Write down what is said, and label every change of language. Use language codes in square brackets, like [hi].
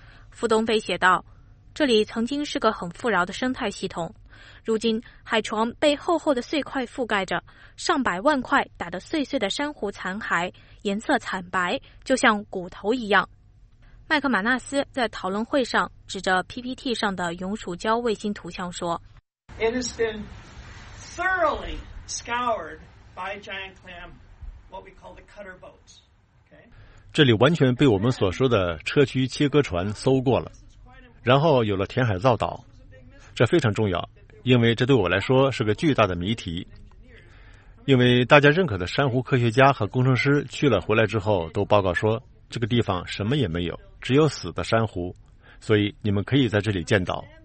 [zh] 傅东飞写道，这里曾经是个很富饶的生态系统，如今海床被厚厚的碎块覆盖着，上百万块打得碎碎的珊瑚残骸颜色惨白，就像骨头一样。麦克马纳斯在讨论会上指着 PPT 上的永暑礁卫星图像说 [en] It has been thoroughly scoured by giant clam, what we call the cutter boats. [zh] 这里完全被我们所说的砗磲切割船搜过了，然后有了填海造岛，这非常重要，因为这对我来说是个巨大的谜题。因为大家认可的珊瑚科学家和工程师去了回来之后都报告说，这个地方什么也没有，只有死的珊瑚，所以你们可以在这里见到。